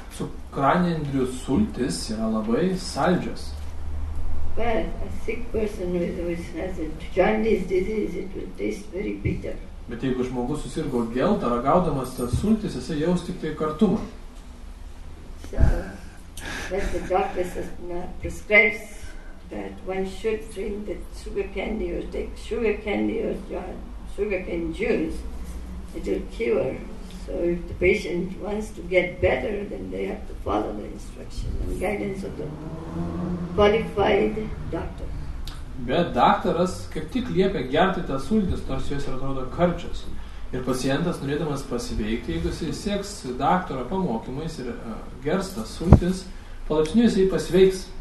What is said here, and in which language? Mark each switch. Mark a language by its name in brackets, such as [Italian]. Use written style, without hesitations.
[Lithuanian] Cukranendrių sultis yra labai saldžios. [English] Well, a sick person with has a jaundice disease, it will taste very bitter. [Lithuanian] Bet jeigu žmogus susirgo geltą, ragaudamas tas sultis, jisai jaus tik tai kartumą. [English] That the doctor prescribes that one should drink the sugar candy or take sugar candy or sugar cane juice, it will cure. So if the patient wants to get better, then they have to follow the instruction and guidance of the qualified doctor. [Lithuanian] Bet daktaras kaip tik liepia gerti tą sultis, nors jos atrodo karčios. Ir pacientas, norėdamas pasiveikti, jeigu jis sieks daktaro pamokymais ir gers tą sultis, palaipsniui jis pasveiks.